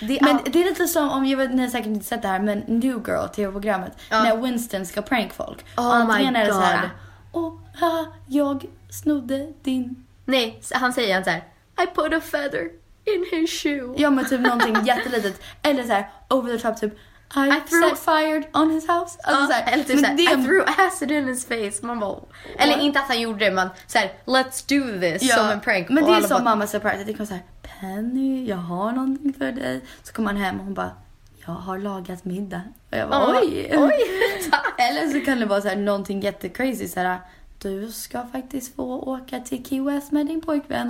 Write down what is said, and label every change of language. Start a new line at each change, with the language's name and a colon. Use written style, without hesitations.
Swedish: Det är lite som, om ni har säkert inte sett det här, men New Girl, TV-programmet, när Winston ska prank folk. Oh, och my god. Så här, jag snodde din... Nej, han säger så här,
English: I put a feather in his shoe.
Swedish: Ja, men typ någonting jättelitet. Eller så här,
English: over the top,
Swedish: typ,
English: I threw set fire on his house.
Swedish: Alltså,
English: I threw acid in his face.
Swedish: Man bara, eller inte att han gjorde det, men så här,
English: let's do this,
Swedish: ja, som en prank. Men det är som mamma surprise. Det kommer så här, Penny, jag har någonting för dig. Så kommer han hem och hon bara, jag har lagat middag. Och jag bara, oj. Eller så kan det vara så här, någonting jättecrazy. Så här, du ska faktiskt få åka till Key West med din pojkvän.